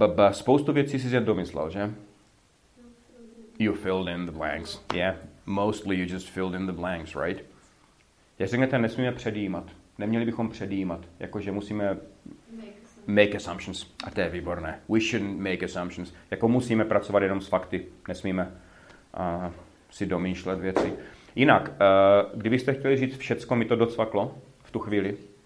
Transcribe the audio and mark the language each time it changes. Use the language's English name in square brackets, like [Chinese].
[Czech] Spoustu věcí jsi se domyslel, že? [English] You filled in the blanks. Yeah, mostly you just filled in the blanks, right? [Czech] Jak řeknete, nesmíme předjímat. Neměli bychom předjímat. Jakože musíme... Make assumptions. A to je výborné. We shouldn't make assumptions. Jako musíme pracovat jenom s fakty. Nesmíme si domýšlet věci. Jinak, kdybyste chtěli říct všecko, mi to docvaklo v tu chvíli?